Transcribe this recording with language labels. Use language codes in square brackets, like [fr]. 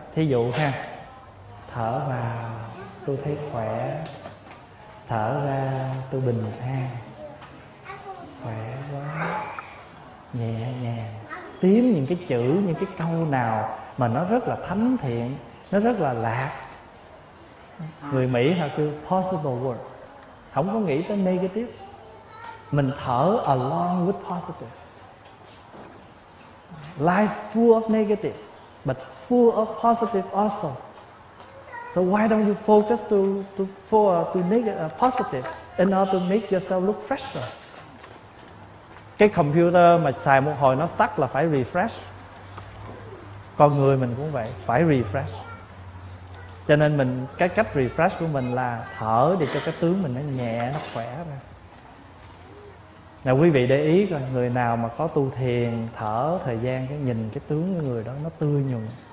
[vi] Thí dụ ha: thở vào tôi thấy khỏe, thở ra tôi bình an, khỏe quá, nhẹ nhàng. Tiếm những cái chữ, những cái câu nào mà nó rất là thánh thiện, nó rất là lạc. Người Mỹ họ kêu [en] possible words, [vi] không có nghĩ tới negative. Mình thở [en] along with positive. Life full of negatives but full of positive also. So why don't you focus to positive in order to make yourself look fresher? [vi] Cái computer mà xài một hồi nó stuck là phải refresh. Con người mình cũng vậy, phải refresh. Cho nên mình, cái cách refresh của mình là thở để cho cái tướng mình nó nhẹ, nó khỏe ra. Nào quý vị để ý coi, người nào mà có tu thiền, thở thời gian, cái nhìn cái tướng của người đó nó tươi nhuận.